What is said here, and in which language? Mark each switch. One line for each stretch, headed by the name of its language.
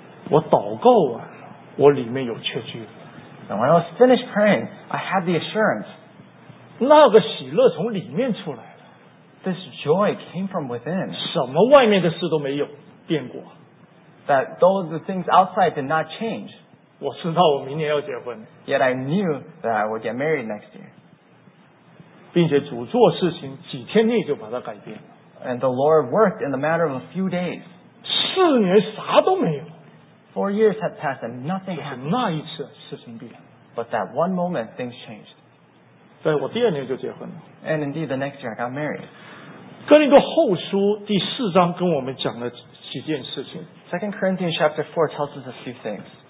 Chinese: 我祷告完了，我里面有确据。
English: And when I was finished praying, I had the assurance.
Chinese: 那个喜乐从里面出来了。
English: This joy came from within.
Chinese: 什么外面的事都没有变过。
English: That though the things outside did not change.
Chinese: 我知道我明年要结婚,
English: yet I knew that I would get married next year.
Chinese: 并且主做事情几天内就把它改变了,
English: and the Lord worked in the matter of a few days.
Chinese: 4年啥都没有,
English: 4 years had passed and nothing happened.
Chinese: 那一次事情变了,
English: but that one moment things changed.
Chinese: 对,我第二年就结婚了,
English: and indeed the next year I got married.
Chinese: 哥林多后书第四章跟我们讲了几件事情,
English: 2 Corinthians chapter 4 tells us a few things.